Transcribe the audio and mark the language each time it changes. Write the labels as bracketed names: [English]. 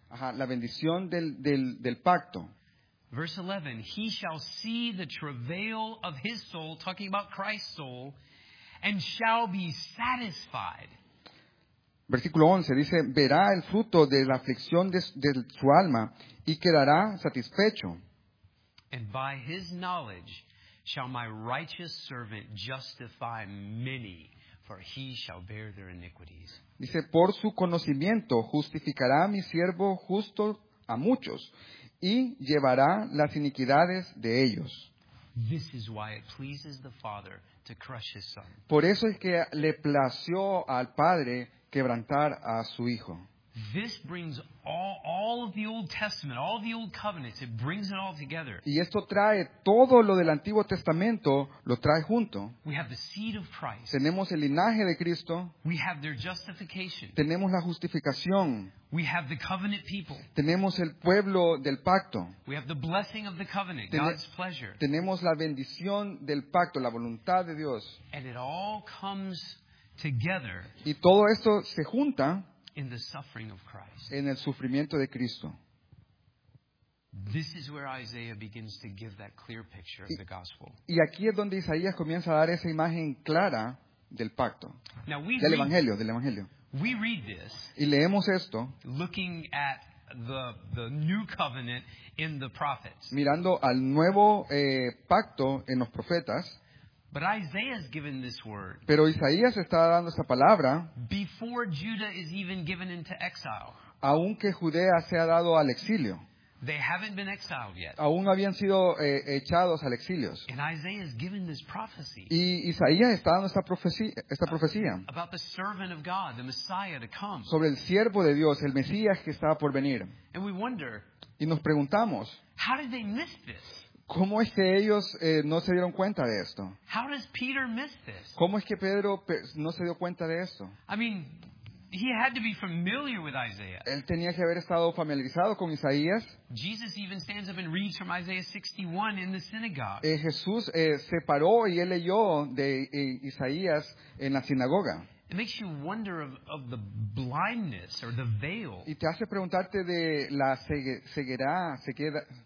[Spanish] Ajá, la bendición del pacto. [English] Verse 11, he shall see the travail of his soul, talking about Christ's soul, and shall be satisfied. [Spanish] Versículo 11 dice, verá el fruto de la aflicción de su alma y quedará satisfecho. [English] And by his knowledge shall my righteous servant justify many. For he shall bear their iniquities. [Spanish] Dice, por su conocimiento justificará a mi siervo justo a muchos y llevará las iniquidades de ellos. [English] This is why it pleases the Father to crush his son. [Spanish] Por eso es que le plació al Padre quebrantar a su Hijo. [English] This brings all of the Old Testament, all of the Old Covenant, it brings it all together. [Spanish] Y esto trae todo lo del Antiguo Testamento, lo trae junto. [English] We have the seed of Christ. [Spanish] Tenemos el linaje de Cristo. [English] We have their justification. [Spanish] Tenemos la justificación. [English] We have the covenant people. [Spanish] Tenemos el pueblo del pacto. [English] We have the blessing of the covenant, God's pleasure. [Spanish] Tenemos la bendición del pacto, la voluntad de Dios. [English] And it all comes together. [Spanish] Y todo esto se junta. [English] In the suffering of Christ. [Spanish] En el sufrimiento de Cristo. [English] This is where Isaiah begins to give that clear picture of the gospel. [Spanish] Y aquí es donde Isaías comienza a dar esa imagen clara del pacto. [English] Now we [Spanish] del evangelio, del evangelio. [English] We read this. [Spanish] Y leemos esto. [English] Looking at the new covenant in the prophets. [Spanish] Mirando al nuevo pacto en los profetas. [English] But Isaiah is given this word. [Spanish] Pero Isaías está dando esta palabra. [English] Before Judah is even given into exile. [Spanish] Aunque Judea sea dado al exilio. [English] They haven't been exiled yet. [Spanish] Aún habían sido echados al exilio. [English] And Isaiah is given this prophecy. [Spanish] Y Isaías está dando esta profecía. [English] About the servant of God, the Messiah to come. [Spanish] Sobre el siervo de Dios, el Mesías que estaba por venir. [English] And we wonder. [Spanish] Y nos preguntamos. [English] How did they miss this? [Spanish] ¿Cómo es que ellos no se dieron cuenta de esto? [English] How does Peter miss this? [Spanish] ¿Cómo es que Pedro no se dio cuenta de esto? [English] I mean, he had to be familiar with Isaiah. [Spanish] Él tenía que haber estado familiarizado con Isaías. [English] Jesus even stands up and reads from Isaiah 61 in the synagogue. [Spanish] Jesús se paró y él leyó de Isaías en la sinagoga. [English] It makes you wonder of the blindness or the veil. [Spanish] Y te hace preguntarte de la ceguera, ceguera.